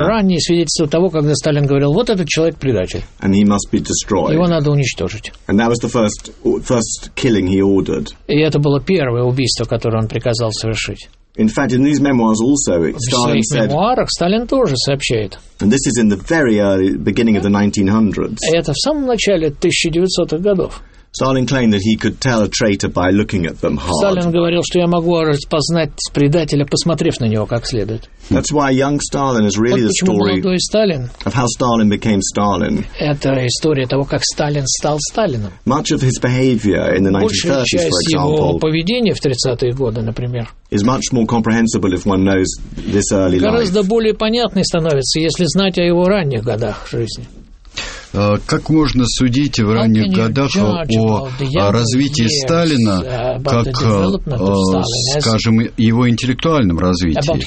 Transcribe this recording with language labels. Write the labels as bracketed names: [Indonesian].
[Russian] Ранние свидетельства того, когда Сталин говорил, вот этот человек предатель, [English] and he must be destroyed. [Russian] Его надо уничтожить. [English] And that was the first killing he ordered. [Russian] И это было первое убийство, которое он приказал совершить. [English] In fact, in these memoirs also, Stalin said. [Russian] В мемуарах Сталин тоже сообщает. [English] And this is in the very early beginning of the 1900s. [Russian] Это в самом начале 1900-х годов. [English] Stalin claimed that he could tell a traitor by looking at them hard. [Russian] Сталин говорил, что я могу распознать предателя, посмотрев на него как следует. [English] That's why young Stalin is really the story of how Stalin became Stalin. [Russian] Это история того, как Сталин стал Сталином. [English] Much of his behavior in the 1930s, for example. [Russian] Большая часть его поведения в 30-е годы, например. [English] Is much more comprehensible if one knows this early life. [Russian] Гораздо более понятной становится, если знать о его ранних годах жизни. Как можно судить в ранних годах о развитии Сталина, как, скажем, его интеллектуальном развитии?